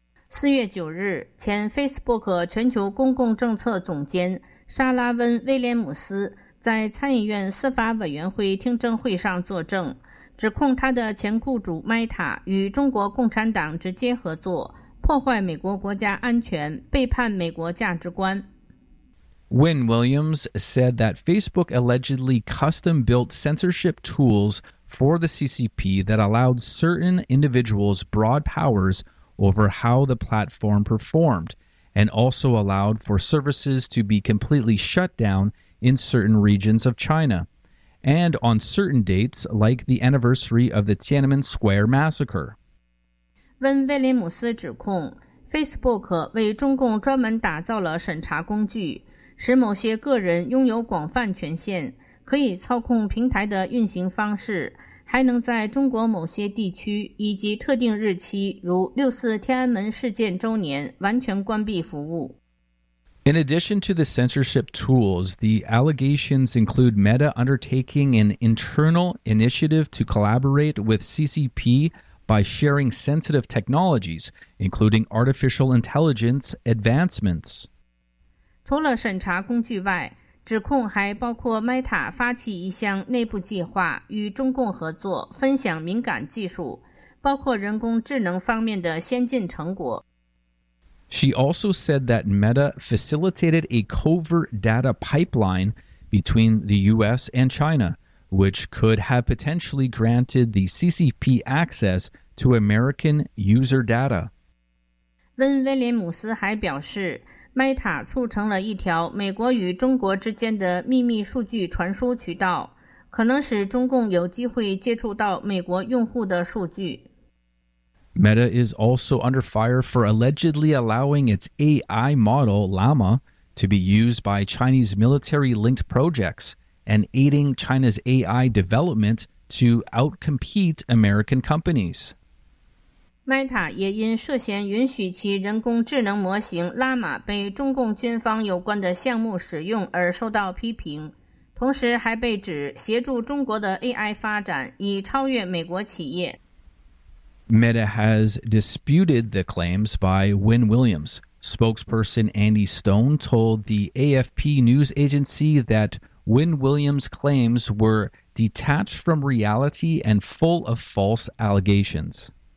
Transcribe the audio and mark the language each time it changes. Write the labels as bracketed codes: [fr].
[zh] 4月9日，前 Facebook 全球公共政策总监莎拉温·威廉姆斯在参议院司法委员会听证会上作证，指控他的前雇主 Meta 与中国共产党直接合作，破坏美国国家安全，背叛美国价值观。 [en] Wynne Williams said that Facebook allegedly custom-built censorship tools for the CCP that allowed certain individuals broad powers over how the platform performed, and also allowed for services to be completely shut down in certain regions of China, and on certain dates like the anniversary of the Tiananmen Square massacre. [zh] Wynne Williams 指控 Facebook 为中共专门打造了审查工具，使某些个人拥有广泛权限，可以操控平台的运行方式，还能在中国某些地区以及特定日期，如六四天安门事件周年，完全关闭服务。 [en] In addition to the censorship tools, the allegations include Meta undertaking an internal initiative to collaborate with CCP by sharing sensitive technologies, including artificial intelligence advancements. [zh] 除了审查工具外，指控还包括 Meta 发起一项内部计划与中共合作，分享敏感技术，包括人工智能方面的先进成果。 [en] She also said that Meta facilitated a covert data pipeline between the U.S. and China, which could have potentially granted the CCP access to American user data. [zh] 温威廉姆斯还表示，Meta 促成了一条美国与中国之间的秘密数据传输渠道，可能使中共有机会接触到美国用户的数据。 [en] Meta is also under fire for allegedly allowing its AI model Llama to be used by Chinese military-linked projects and aiding China's AI development to outcompete American companies. [zh] Meta 也因涉嫌允许其人工智能模型 Llama 被中共军方有关的项目使用而受到批评，同时还被指协助中国的 AI 发展以超越美国企业。 [en] Meta has disputed the claims by Wynne Williams. Spokesperson Andy Stone told the AFP news agency that Wynne Williams' claims were detached from reality and full of false allegations.